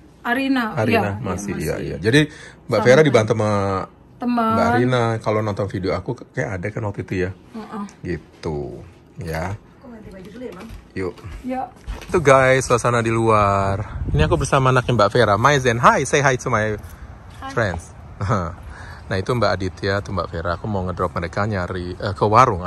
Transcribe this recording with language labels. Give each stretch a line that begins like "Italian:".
Indonesian: Arina? Arina ya, masih, ya, masih, iya, iya. Jadi Mbak Vera dibantu sama teman. Mbak Arina, kalau nonton video aku kayak ada kan waktu itu ya. Gitu, ya. Yuk. Yuk. Itu guys, suasana di luar. Ini aku bersama anaknya Mbak Vera.
English: My Zen, hi, say hi to my friends.
Indonesian: Nah itu Mbak Aditya, itu Mbak Vera. Aku mau ngedrop mereka nyari ke warung.